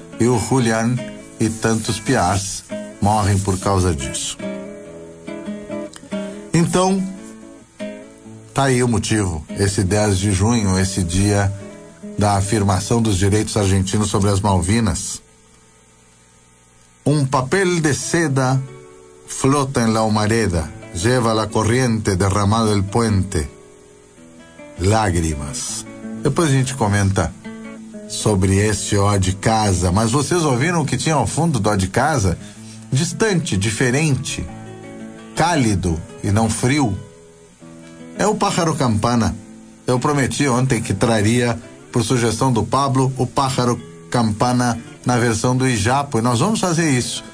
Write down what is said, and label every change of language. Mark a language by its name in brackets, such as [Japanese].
[Portuguese] E o Julián e tantos piás morrem por causa disso. Então, tá aí o motivo, esse 10 de junho, esse dia da afirmação dos direitos argentinos sobre as Malvinas. [Spanish] Um papel de seda flota en la humareda, lleva la corriente derramada el puente. Lágrimas. [Portuguese] Depois a gente comenta sobre esse ó de casa, mas vocês ouviram o que tinha ao fundo do ó de casa? Distante, diferente, cálido e não frio. É o pájaro campana. Eu prometi ontem que traria, por sugestão do Pablo, o pájaro campana na versão do Ijapo. E nós vamos fazer isso.